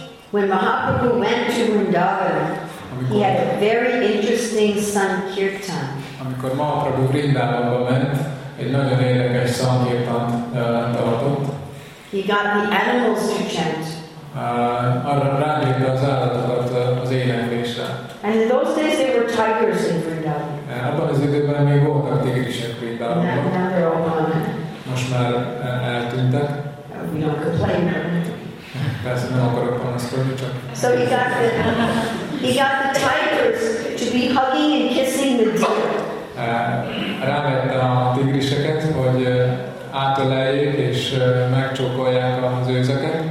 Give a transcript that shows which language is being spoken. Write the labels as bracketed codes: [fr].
[en] When Mahaprabhu went to Vrindavan, he had a very interesting sankirtan. [hu] Amikor Mahaprabhu Vrindavanba ment, egy nagyon érdekes sankirtant tartott. [en] He got the animals to chant. [hu] Arra rámérte az állatokat az éneklésre. [en] And in those days there were tigers in Vrindavan. [hu] Abban az időben még voltak tigrisek Vrindavanban. Most már eltűntek. [en] We don't complain. [hu] Persze nem akarok panaszkodni, csak. [en] So he got the tigers to be hugging and kissing the deer. [hu] Rávette a tigriseket, hogy átöleljék és megcsókolják az őzeket.